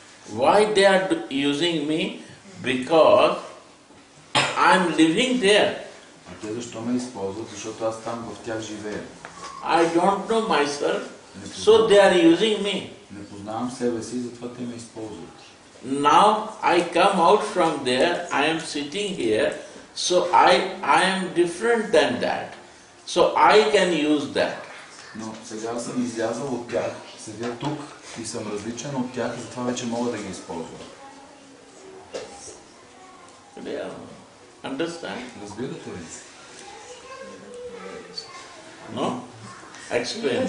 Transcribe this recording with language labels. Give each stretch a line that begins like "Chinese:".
English: Why they are using me? Because I'm living there.
Bulgarian: А те защо ме използват? Защото аз там в тях живея.
English: I don't know myself, so they are using me.
Bulgarian: Не познавам себе си, затова те ме използват.
English: Now I come out from there, I am sitting here, so I am different than that. So I can use that.
Bulgarian: Но сега съм излязъл от тях, седя тук и съм различен от тях, затова вече мога да ги използвам.
English: Yeah. Understand?
Bulgarian: Разбирате ли?
English: No? Explain.